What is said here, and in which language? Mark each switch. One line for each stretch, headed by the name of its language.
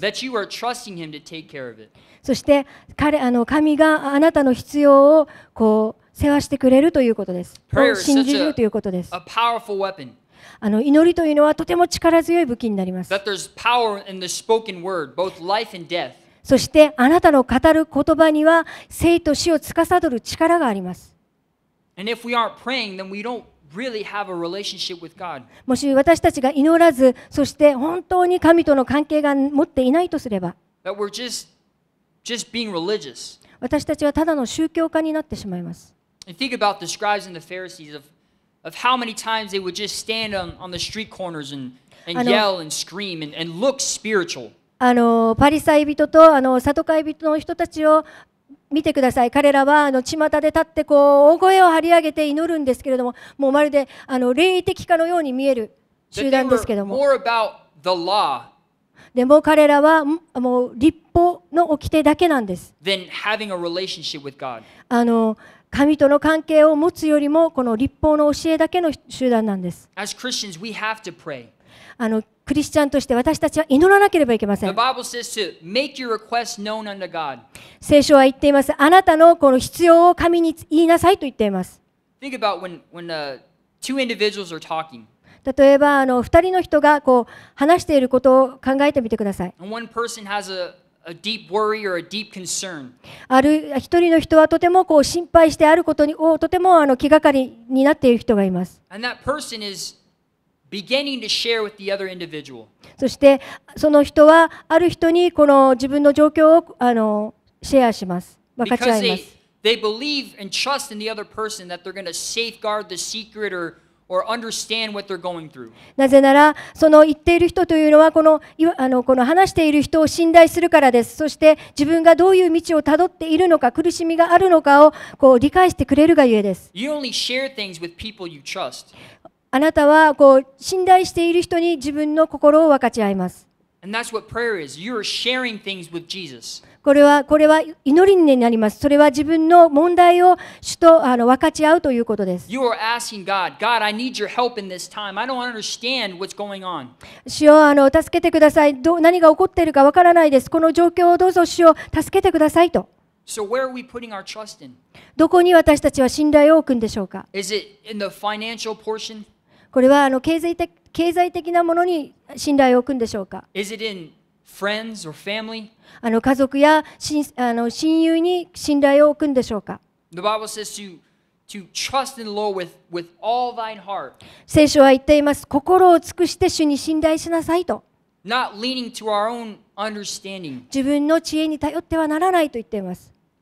Japanese: そして彼あの神があなたの必要をこう世話してくれるということです。信じるということです。あの祈りというのはとても力強い武器になります。
English: That there's power in the spoken word, both life and death.
Japanese: そしてあなたの語る言葉には生と死を司る力があります。
English: And if we aren't praying, then we don't really have a relationship with God.
Japanese: もし私たちが祈らず、そして本当に神との関係が持っていないとすれば、
English: That we're just being religious.
Japanese: 私たちはただの宗教家になってしまいます。
English: And think about the scribes and the Pharisees of how many times they would just stand on the street corners and yell and scream and look spiritual.
Japanese: あのパリサイ人とあのサドカイ人の人たちを見てください。彼らはあの巷で立ってこう大声を張り上げて祈るんですけれども、もうまるであの霊的家のように見える集団ですけれども。
English: But they were more about the law.
Japanese: でも彼らはもう律法の掟だけなんです。
English: Than having a relationship with God.
Japanese: あの神との関係を持つよりもこの律法の教えだけの集団なんです。
English: As Christians, we have to pray.
Japanese: あのクリスチャンとして私たちは祈らなければいけません。
English: The Bible says to make your request known unto God.
Japanese: 聖書は言っています。あなたのこの必要を神に言いなさいと言っています。
English: Think about when the two individuals are talking.
Japanese: 例えばあの2人の人がこう話していることを考えてみてください。
English: And one person has a deep worry or a deep concern.
Japanese: ある一人の人はとてもこう心配してあることにとてもあの気がかりになっている人がいます。
English: And that person is beginning to share with the other individual.
Japanese: そしてその人はある人にこの自分の状況をあのシェアします。分かち合います。
English: Because they believe and trust in the other person that they're going to safeguard the secret or understand what they're going through.
Japanese: なぜならその言っている人というのはこの、あの、この話している人を信頼するからです。そして自分がどういう道をたどっているのか、苦しみがあるのかをこう理解してくれるがゆえです。
English: You only share things with people you trust.
Japanese: あなたはこう信頼している人に自分の心を分かち合います。
English: And that's what prayer is. You are sharing things with Jesus.
Japanese: これは祈りになります。それは自分の問題を主とあの分かち合うということです。
English: You are asking God, God, I need your help in this time. I don't understand what's going on.
Japanese: 主よ、あの助けてください。何が起こっているかわからないです。この状況をどうぞ主よ、助けてくださいと。
English: So where are we putting our trust in?
Japanese: どこに私たちは信頼を置くんでしょうか。
English: Is it in the financial portion?
Japanese: これはあの経済的なものに信頼を置くんでしょうか。
English: Is it in friends or family?
Japanese: あの家族や親友に信頼を置くんでしょうか。
English: The Bible says to trust in the Lord with all thine heart.
Japanese: 聖書は言っています。心を尽くして主に信頼しなさいと。
English: Not leaning to our own understanding.
Japanese: 自分の知恵に頼ってはならないと言っています。